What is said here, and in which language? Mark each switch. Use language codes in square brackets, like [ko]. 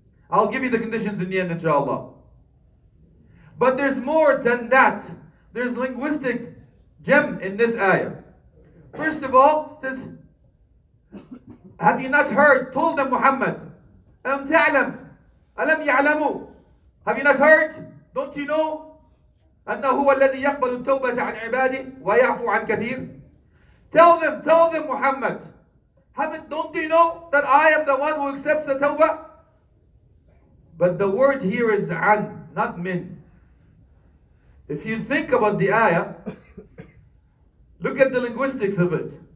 [en] I'll give you the conditions in the end, inshallah. But there's more than that. There's linguistic gem in this ayah. First of all, it says, have you not heard, told them Muhammad, [ar] أَمْ تَعْلَمْ أَلَمْ يَعْلَمُوا [en] Have you not heard? Don't you know? [ar] أنه الذي يقبل التوبة عن عباده ويعفو عن كثير. [en] Tell them Muhammad. Don't you know that I am the one who accepts the tawbah? But the word here is an, not min. If you think about the ayah, look at the linguistics of it.